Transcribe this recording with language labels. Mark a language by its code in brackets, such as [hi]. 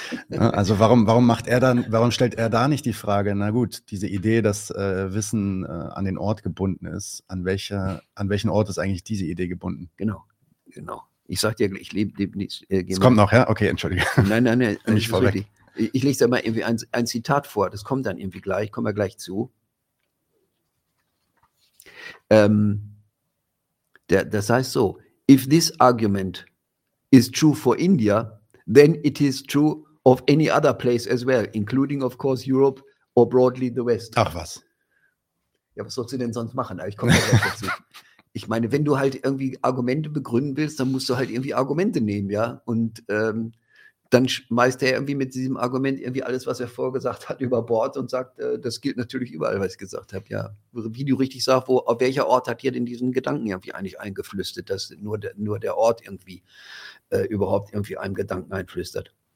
[de] Also warum stellt er da nicht die Frage, na gut, diese Idee, dass Wissen an den Ort gebunden ist, an welchen Ort ist eigentlich diese Idee gebunden? Genau. Ich sag dir, ich lebe nicht. Es kommt noch, ja? Okay, entschuldige. Nein. Nicht vorweg. Ich lese da mal irgendwie ein Zitat vor, das kommt dann irgendwie gleich, kommen wir gleich zu. Das heißt so, [en] if this argument is true for India, then it is true of any other place as well, including of course Europe or broadly the West. [de] Ach was. Ja, was sollst du denn sonst machen? Ich komme da gleich dazu. Ich meine, wenn du halt irgendwie Argumente begründen willst, dann musst du halt irgendwie Argumente nehmen, ja, und dann schmeißt er irgendwie mit diesem Argument irgendwie alles, was er vorgesagt hat, über Bord und sagt, das gilt natürlich überall, was ich gesagt habe. Ja, wie du richtig sagst, auf welcher Ort hat hier denn diesen Gedanken irgendwie eigentlich eingeflüstert, dass nur der Ort irgendwie überhaupt irgendwie einem Gedanken einflüstert.